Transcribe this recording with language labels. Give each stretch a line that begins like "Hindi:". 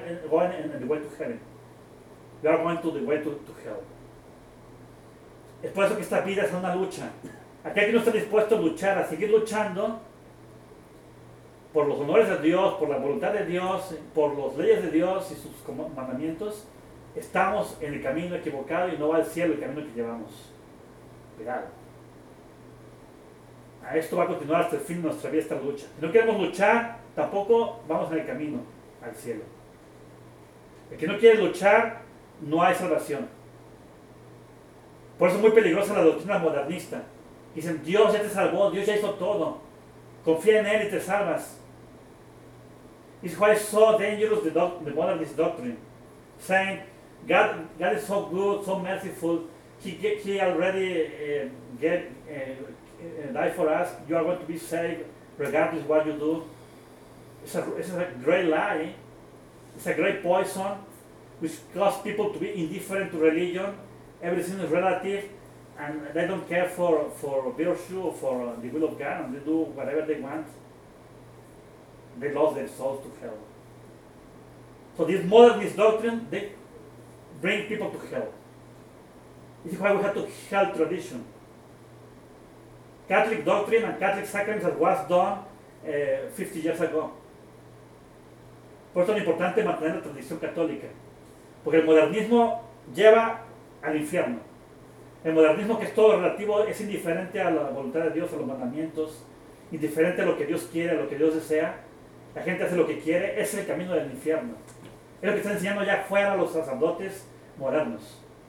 English: You are not going in the way to heaven. You are going to the way to hell.
Spanish: Es por eso que esta vida es una lucha. Aquel que no está dispuesto a luchar, a seguir luchando por los honores de Dios, por la voluntad de Dios, por las leyes de Dios y sus mandamientos, estamos en el camino equivocado y no va al cielo el camino que llevamos. Cuidado. A esto va a continuar hasta el fin de nuestra vida esta lucha. Si no queremos luchar, tampoco vamos en el camino. al cielo. El que no quiere luchar, no hay salvación. Por eso es muy peligrosa la doctrina modernista. Dicen, Dios ya te salvó, Dios ya hizo todo. Confía en Él y te salvas.
English: It's why it's so dangerous, the modernist doctrine. Saying, God is so good, so merciful. He already died for us. You are going to be saved regardless of what you do. It's a great lie. It's a great poison which causes people to be indifferent to religion. Everything is relative, and they don't care for virtue or for the will of God, and they do whatever they want. They lost their souls to hell. So this modernist doctrine, they bring people to hell. This is why we have to help tradition. Catholic doctrine and Catholic sacraments that was done 50 years ago.
Spanish: Por eso es importante mantener la tradición católica. Porque el modernismo lleva al infierno. El modernismo, que es todo relativo, es indiferente a la voluntad de Dios, a los mandamientos, indiferente a lo que Dios quiere, a lo que Dios desea. La gente hace lo que quiere, es el camino del infierno. Es lo que están enseñando allá afuera los sacerdotes modernos.